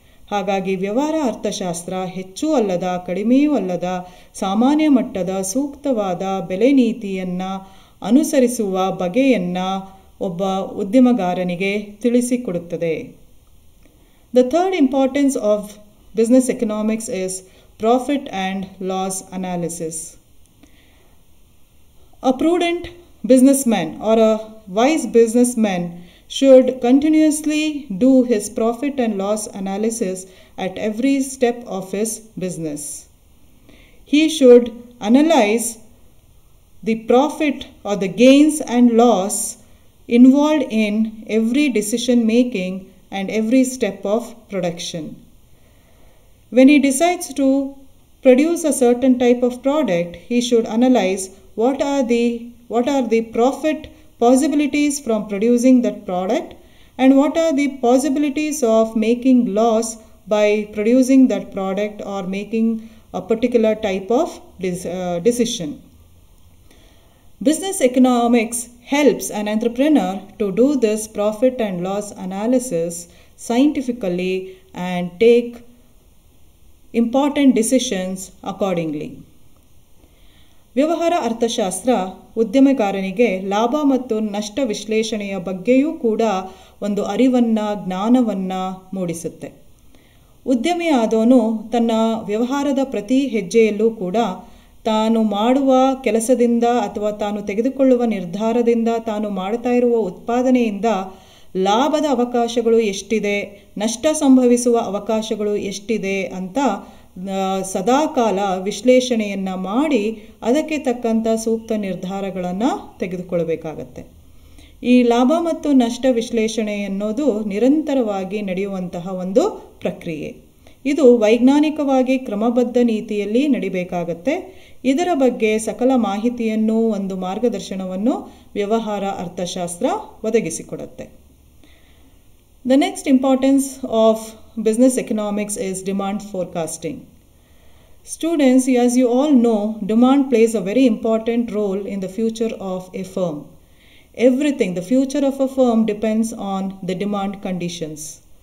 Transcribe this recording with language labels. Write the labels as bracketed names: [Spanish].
[Kannada] ಹಾಗಾಗಿ ವ್ಯವಹಾರ ಅರ್ಥಶಾಸ್ತ್ರ ಹೆಚ್ಚೂ ಅಲ್ಲದ ಕಡಿಮೆಯೂ ಅಲ್ಲದ ಸಾಮಾನ್ಯ ಮಟ್ಟದ ಸೂಕ್ತವಾದ ಬೆಲೆ ನೀತಿಯನ್ನು ಅನುಸರಿಸುವ ಬಗೆಯನ್ನು ಒಬ್ಬ ಉದ್ಯಮಗಾರನಿಗೆ ತಿಳಿಸಿಕೊಡುತ್ತದೆ. [English] The third importance of business economics is profit and loss analysis. A prudent business man or a wise business man should continuously do his profit and loss analysis at every step of his business. He should analyze the profit or the gains and loss involved in every decision making and every step of production. When he decides to produce a certain type of product, he should analyze what are the profit possibilities from producing that product and what are the possibilities of making loss by producing that product or making a particular type of decision. Business economics helps an entrepreneur to do this profit and loss analysis scientifically and take important decisions accordingly. [Kannada] ವ್ಯವಹಾರ ಅರ್ಥಶಾಸ್ತ್ರ ಉದ್ಯಮಗಾರನಿಗೆ ಲಾಭ ಮತ್ತು ನಷ್ಟ ವಿಶ್ಲೇಷಣೆಯ ಬಗ್ಗೆಯೂ ಕೂಡ ಒಂದು ಅರಿವನ್ನು, ಜ್ಞಾನವನ್ನು ಮೂಡಿಸುತ್ತೆ. ಉದ್ಯಮಿಯಾದವನು ತನ್ನ ವ್ಯವಹಾರದ ಪ್ರತಿ ಹೆಜ್ಜೆಯಲ್ಲೂ ಕೂಡ ತಾನು ಮಾಡುವ ಕೆಲಸದಿಂದ ಅಥವಾ ತಾನು ತೆಗೆದುಕೊಳ್ಳುವ ನಿರ್ಧಾರದಿಂದ, ತಾನು ಮಾಡ್ತಾ ಇರುವ ಉತ್ಪಾದನೆಯಿಂದ ಲಾಭದ ಅವಕಾಶಗಳು ಎಷ್ಟಿದೆ, ನಷ್ಟ ಸಂಭವಿಸುವ ಅವಕಾಶಗಳು ಎಷ್ಟಿದೆ ಅಂತ ಸದಾಕಾಲ ವಿಶ್ಲೇಷಣೆಯನ್ನು ಮಾಡಿ ಅದಕ್ಕೆ ತಕ್ಕಂಥ ಸೂಕ್ತ ನಿರ್ಧಾರಗಳನ್ನು ತೆಗೆದುಕೊಳ್ಳಬೇಕಾಗತ್ತೆ. ಈ ಲಾಭ ಮತ್ತು ನಷ್ಟ ವಿಶ್ಲೇಷಣೆ ಅನ್ನೋದು ನಿರಂತರವಾಗಿ ನಡೆಯುವಂತಹ ಒಂದು ಪ್ರಕ್ರಿಯೆ. ಇದು ವೈಜ್ಞಾನಿಕವಾಗಿ ಕ್ರಮಬದ್ಧ ನೀತಿಯಲ್ಲಿ ನಡೆಯಬೇಕಾಗತ್ತೆ. ಇದರ ಬಗ್ಗೆ ಸಕಲ ಮಾಹಿತಿಯನ್ನು, ಒಂದು ಮಾರ್ಗದರ್ಶನವನ್ನು ವ್ಯವಹಾರ ಅರ್ಥಶಾಸ್ತ್ರ ಒದಗಿಸಿಕೊಡುತ್ತೆ. [English] The next importance of business economics is demand forecasting. Students, as you all know, demand plays a very important role in the future of a firm. Everything, the future of a firm depends on the demand conditions.